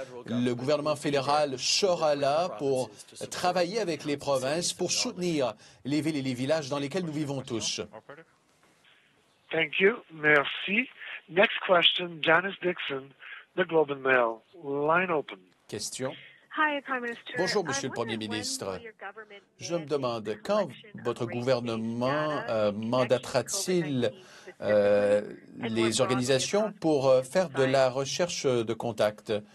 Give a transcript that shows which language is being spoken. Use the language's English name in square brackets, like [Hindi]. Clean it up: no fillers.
[French] Le gouvernement fédéral sera là pour travailler avec les provinces, pour soutenir les villes et les villages dans lesquels nous vivons tous. [English] Thank you. [French] Merci. [English] Next question, Janice Dixon, The Globe and Mail. Line open. [French] Question. Bonjour, Monsieur le Premier ministre. Je me demande, quand votre gouvernement mandatera-t-il les organisations pour faire de la recherche de contact?